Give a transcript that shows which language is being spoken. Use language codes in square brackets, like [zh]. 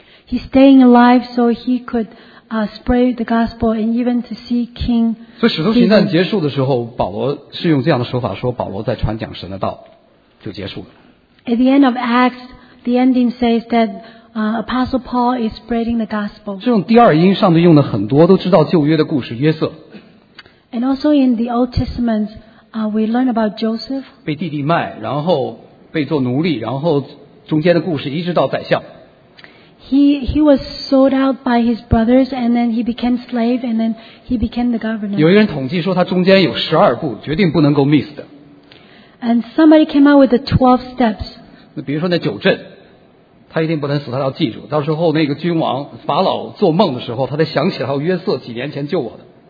[en] He's staying alive so he could spread the gospel and even to see King. [zh] 所以使徒行传结束的时候，保罗是用这样的手法说保罗在传讲神的道，就结束了。 [en] At the end of Acts, the ending says that Apostle Paul is spreading the gospel. [zh] 这种第二音上面用的很多，都知道旧约的故事约瑟。 [en] And also in the Old Testament, we learn about Joseph. [zh] 被弟弟卖，然后被做奴隶，然后中间的故事一直到宰相。 [en] He was sold out by his brothers, and then he became slave, and then he became the governor. [zh] 有一人统计说他中间有十二步，绝对不能够 miss 的。 [en] And somebody came out with the 12 steps. [zh] 那比如说那九阵，他一定不能死，他要记住。到时候那个君王法老做梦的时候，他得想起来，约瑟几年前救我的。